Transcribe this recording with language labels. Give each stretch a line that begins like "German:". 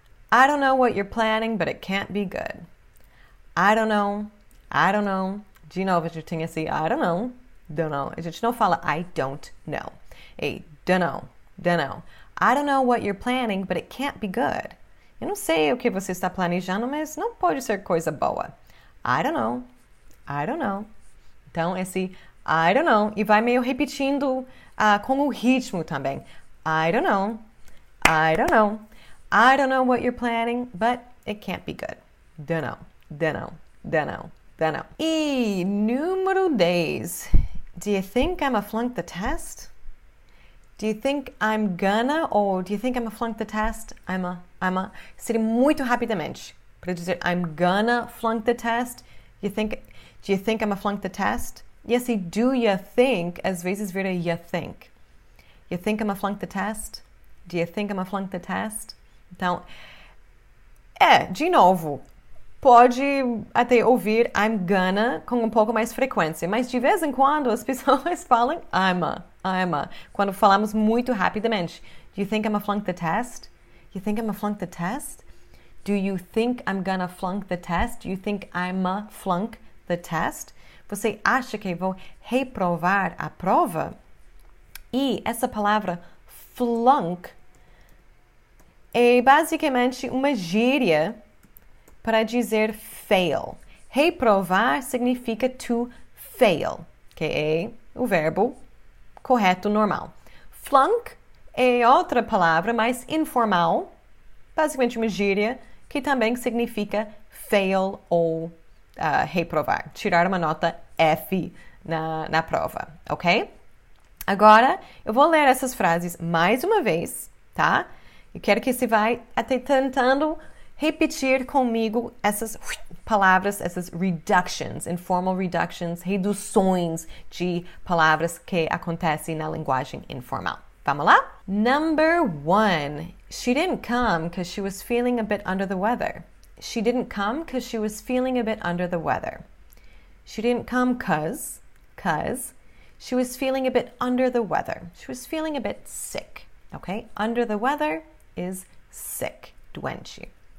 English: I don't know what you're planning, but it can't be good. I don't know. I don't know.
Portuguese: De novo, a gente tem esse
English: I don't know. Don't know.
Portuguese: A gente não fala
English: I don't know. Ei, don't know. Don't know. I don't know what you're planning, but it can't be good.
Portuguese: Eu não sei o que você está planejando, mas não pode ser coisa boa.
English: I don't know. I don't know.
Portuguese: Então, esse
English: I don't know.
Portuguese: E vai meio repetindo com o ritmo também.
English: I don't know. I don't know. I don't know what you're planning, but it can't be good. Don't know, don't know, don't know, don't know.
Portuguese: E número 10.
English: Do you think I'm a flunk the test? Do you think I'm gonna or do you think I'm a flunk the test? I'm a.
Portuguese: Seria muito rapidamente para dizer
English: I'm gonna flunk the test. Do you think I'm a flunk the test? Yes, e do you think
Portuguese: às vezes vira
English: you think. You think I'm a flunk the test? Do you think I'm a flunk the test?
Portuguese: Então, de novo, pode até ouvir
English: I'm gonna
Portuguese: com um pouco mais frequência, mas de vez em quando as pessoas falam
English: I'm a,
Portuguese: quando falamos muito rapidamente.
English: Do you think I'm a flunk the test? Do you think I'm a flunk the test? Do you think I'm gonna flunk the test? Do you think I'm a flunk the test?
Portuguese: Você acha que vou reprovar a prova? E essa palavra flunk é basicamente uma gíria para dizer fail. Reprovar significa
English: to fail,
Portuguese: que é o verbo correto, normal. Flunk é outra palavra mais informal, basicamente uma gíria, que também significa fail ou reprovar, tirar uma nota F na prova, ok? Agora eu vou ler essas frases mais uma vez, tá? E quero que você vá até tentando repetir comigo essas palavras, essas reductions,
English: informal reductions,
Portuguese: reduções de palavras que acontecem na linguagem informal. Vamos lá?
English: Number one, she didn't come because she was feeling a bit under the weather. She didn't come because she was feeling a bit under the weather. She didn't come because she was feeling a bit under the weather. She was feeling a bit sick. Okay? Under the weather is sick, doente.